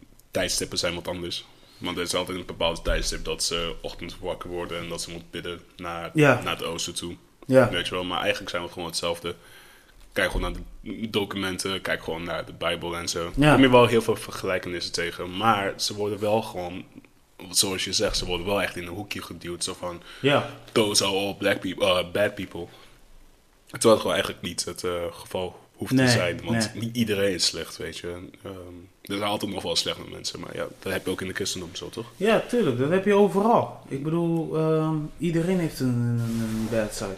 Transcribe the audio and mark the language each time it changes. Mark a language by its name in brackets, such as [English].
[Dutch] Tijdstippen zijn wat anders. Want er is altijd een bepaald tijdstip dat ze ochtends wakker worden en dat ze moeten bidden naar het oosten toe. Ja. Weet je wel, maar eigenlijk zijn we gewoon hetzelfde. Kijk gewoon naar de documenten, kijk gewoon naar de Bijbel en zo. Ja. Daar kom je wel heel veel vergelijkenissen tegen, maar ze worden wel gewoon, zoals je zegt, ze worden wel echt in een hoekje geduwd. Zo van, [English] those are all black people, bad people. [Dutch] Terwijl het gewoon eigenlijk niet het geval hoeft te zijn, want niet iedereen is slecht, weet je. Er zijn altijd nog wel slechte mensen, maar ja, dat heb je ook in de christendom zo, toch? Ja, tuurlijk, dat heb je overal. Ik bedoel, iedereen heeft een bad side.